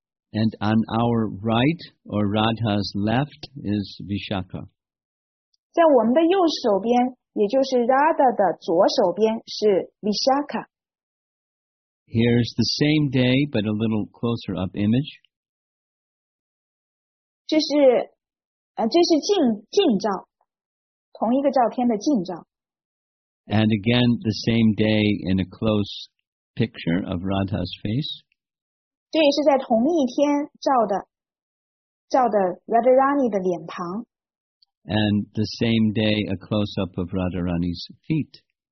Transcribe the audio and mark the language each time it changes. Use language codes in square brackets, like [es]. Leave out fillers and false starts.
[en] And on our right, or Radha's left, is Vishakha. [zh] 在我们的右手边，也就是 Radha 的左手边是 Vishakha. [en] Here's the same day, but a little closer up image. [zh] 这是近照，同一个照片的近照。 [en] And again, the same day in a close picture of Radha's face. [zh] 这也是在同一天照的 Radharani 的脸庞。 [en] And the same day, a close-up of Radharani's feet.